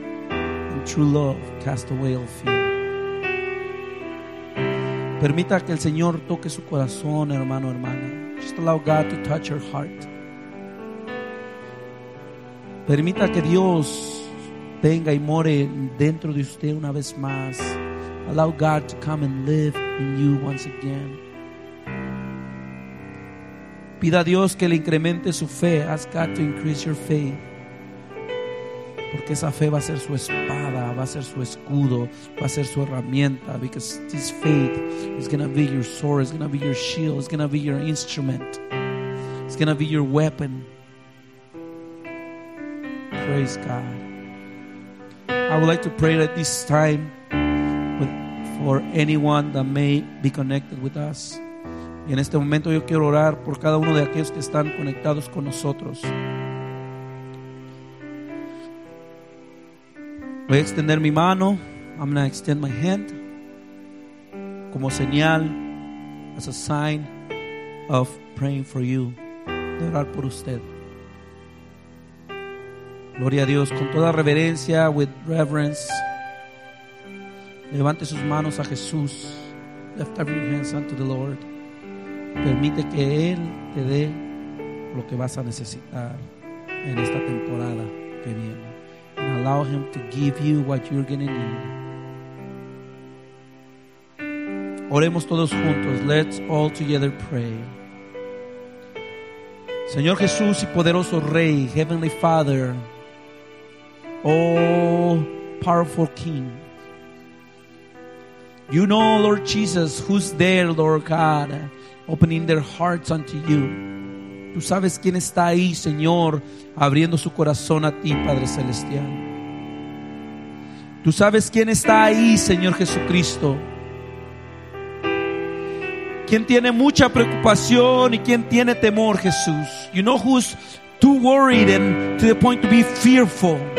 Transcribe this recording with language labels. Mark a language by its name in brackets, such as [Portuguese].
[English] And true love casts away all fear. [Spanish] Permita que el Señor toque su corazón, hermano, hermana. [English] Just allow God to touch your heart. [Spanish] Permita que Dios venga y more dentro de usted una vez más. [English] Allow God to come and live in you once again. [Spanish] Pida a Dios que le incremente su fe. [English] Ask God to increase your faith. [Spanish] Porque esa fe va a ser su espada, va a ser su escudo, va a ser su herramienta. [English] Because this faith is going to be your sword, it's going to be your shield, it's going to be your instrument. It's going to be your weapon. Praise God. I would like to pray at this time for anyone that may be connected with us. [Spanish] Y en este momento yo quiero orar por cada uno de aquellos que están conectados con nosotros. Voy a extender mi mano. [English] I'm going to extend my hand. [Spanish] Como señal, [English] as a sign of praying for you. [Spanish] De orar por usted. Gloria a Dios. Con toda reverencia, [English] with reverence. [Spanish] Levante sus manos a Jesús. [English] Lift up your hands unto the Lord. [Spanish] Permite que Él te dé lo que vas a necesitar en esta temporada que viene. [English] And allow Him to give you what you're going to need. [Spanish] Oremos todos juntos. [English] Let's all together pray. [Spanish] Señor Jesús y poderoso Rey, [English] Heavenly Father, oh powerful King, you know, Lord Jesus, who's there, Lord God, opening their hearts unto you. [Spanish] Tú sabes quién está ahí, Señor, abriendo su corazón a ti, Padre Celestial. Tú sabes quién está ahí, Señor Jesucristo. Quién tiene mucha preocupación y quién tiene temor, Jesús. [English] You know who's too worried and to the point to be fearful.